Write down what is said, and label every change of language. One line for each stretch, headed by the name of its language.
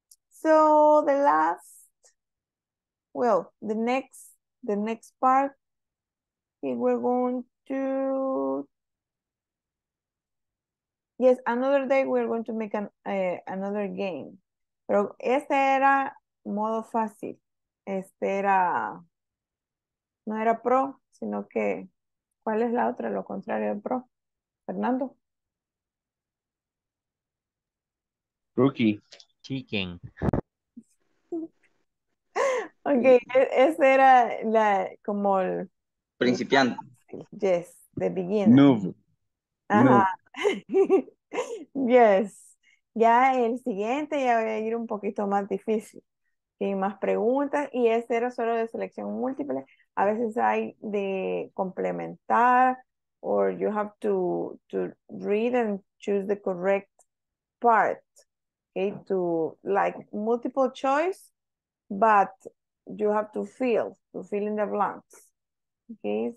English: So the last, well, the next part, we're going to, yes, another day we're going to make another game.
Spanish: Pero este era modo fácil. Este era, no era pro, sino que, ¿cuál es la otra? Lo contrario del pro. Fernando.
English: Rookie. Chicken.
Spanish: Ok, ese era la, como el... Principiante.
English: Yes, the beginner. Noob. Ajá. Noob. Yes.
Spanish: Ya el siguiente ya voy a ir un poquito más difícil. Sin más preguntas. Y ese era solo de selección múltiple. A veces hay de complementar,
English: or you have to read and choose the correct part, okay? To like multiple choice, but you have to fill in the blanks, okay?